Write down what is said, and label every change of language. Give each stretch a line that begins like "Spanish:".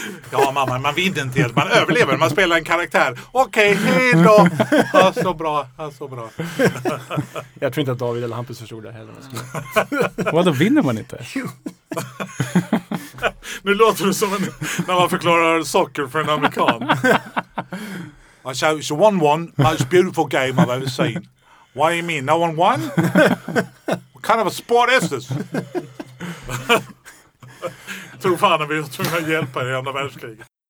Swedish: Ja, mamma, man vinner inte helt. Man överlever, man spelar en karaktär. Okej, hej då! Ja, så bra, ja, så bra. Jag tror inte att David eller Hampus förstod det heller. Vad då, vinner man inte? Nu låter det som när man förklarar soccer för en amerikan.
English: I say it's a 1-1, most beautiful game I've ever seen. What do you mean, no one won? What kind of a sport is this?
Swedish: Tog fan att vi var tvungna att hjälpa i andra världskriget.